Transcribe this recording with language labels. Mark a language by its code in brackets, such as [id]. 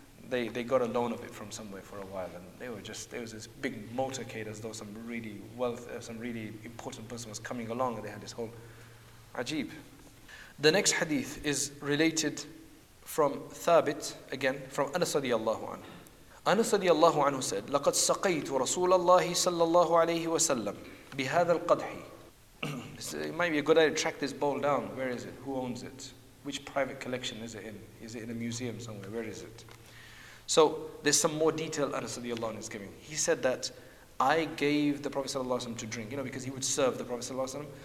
[en] They got a loan of it from somewhere for a while, and there was this big motorcade as though some really important person was coming along, and they had this whole ajeeb. The next hadith is related from Thabit, again, from Anas radiallahu anhu. Anas radiallahu anhu said, [ar] لَقَدْ سَقَيْتُ رَسُولَ اللَّهِ صَلَّى اللَّهُ عَلَيْهِ وَسَلَّمْ بِهَذَا الْقَدْحِ. [en] It might be a good idea to track this bowl down. Where is it? Who owns it? Which private collection is it in? Is it in a museum somewhere? Where is it? So there's some more detail Anas radiallahu anhu is giving. He said that I gave the Prophet sallallahu alaihi wasallam to drink, you know, because he would serve the Prophet sallallahu alaihi wasallam.